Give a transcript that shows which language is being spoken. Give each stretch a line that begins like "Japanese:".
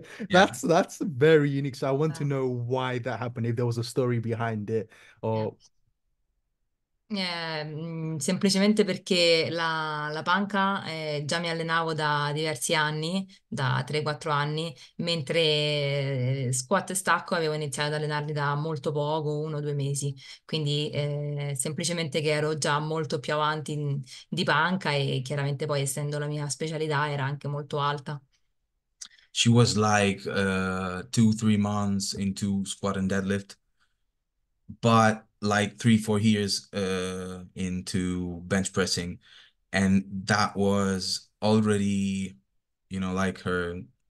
English: That's very unique. So I want to know why that happened, if there was a story behind it, or.
Italian: Semplicemente perché la panca già mi allenavo da diversi anni, da 3-4 anni, mentre squat e stacco avevo iniziato ad allenarli da molto poco, 1 o 2 mesi. Quindi semplicemente che ero già molto più avanti di panca e chiaramente poi essendo la mia specialità era anche molto alta.
English: She was like 2 3 months into squat and deadlift, but like 3 4 years into bench pressing, and that was already, you know, like her,